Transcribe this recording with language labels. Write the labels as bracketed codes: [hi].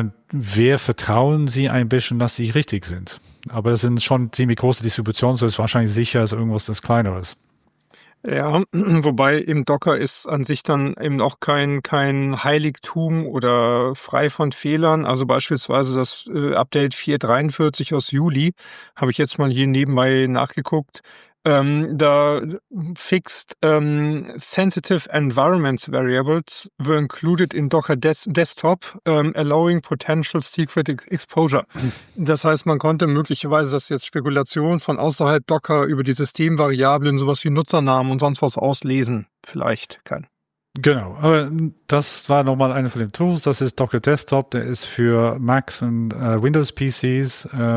[de] Wir vertrauen sie ein bisschen, dass sie richtig sind. Aber das sind schon ziemlich große Distributionen, so ist wahrscheinlich sicher, dass irgendwas das kleinere ist. Ja, wobei im Docker ist an sich dann eben auch kein Heiligtum oder frei von Fehlern. Also beispielsweise das Update 4.43 aus Juli, habe ich jetzt mal hier nebenbei nachgeguckt. [en] Da fixed sensitive environment variables were included in Docker Desktop, allowing potential secret exposure. [de] Das heißt, man konnte möglicherweise, das ist jetzt Spekulation, von außerhalb Docker über die Systemvariablen sowas wie Nutzernamen und sonst was auslesen. Vielleicht kein. Genau, aber das war nochmal eine von den Tools. Das ist Docker Desktop, der ist für Macs und Windows PCs.